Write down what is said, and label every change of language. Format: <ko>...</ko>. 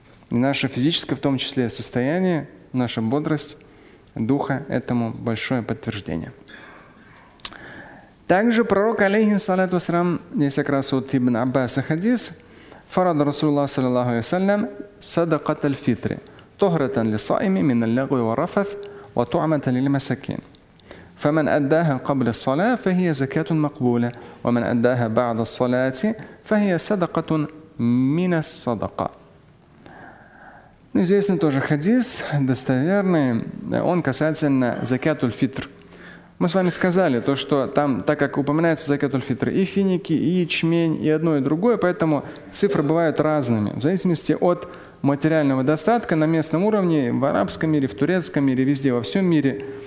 <ru>И наше физическое, в том числе, состояние, наша бодрость духа этому большое подтверждение. Также пророк, алейхиссалату ассалям, есть как раз от Ибн Аббаса хадис,</ru> <ar>фарада Расулла, саллиллаху алейхи ассалям, садакат аль-фитри, тухратан ли саими мин аль-лагви ва рафат, ва туамата лиль масакин. فمن أداها قبل الصلاة فهي زكاة مقبولة ومن أداها بعد الصلاة فهي صدقة من الصدقة.</ar> <ru>Известный тоже хадис, достоверный, он касательно закяту аль-фитр. Мы с вами сказали, то, что там, так как упоминается закяту аль-фитр, и финики, и ячмень, и одно, и другое, поэтому цифры бывают разными, в зависимости от материального достатка на местном уровне, в арабском мире, в турецком мире, везде, во всем мире.</ru>